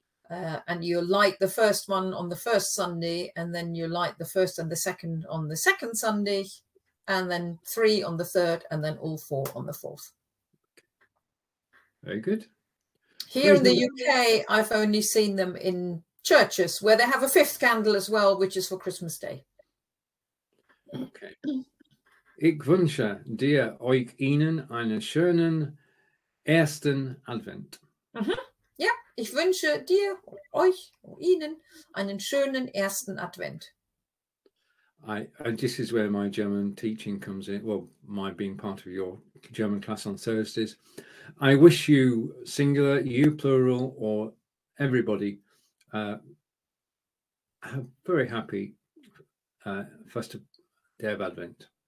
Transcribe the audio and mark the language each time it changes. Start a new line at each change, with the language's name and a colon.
English: And you light the first one on the first Sunday, and then you light the first and the second on the second Sunday. And then three on the third, and then all four on the fourth. Very good. Here in the UK, I've only seen them in churches where they have a fifth candle as well, which is for Christmas Day. Okay.
German: Ich wünsche dir euch Ihnen einen schönen ersten Advent. Mm-hmm. Yeah, ich wünsche dir euch Ihnen einen schönen ersten Advent.
English: And this is where my German teaching comes in. Well, my being part of your German class on Thursdays. I wish you singular, you plural, or everybody a very happy first day of Advent.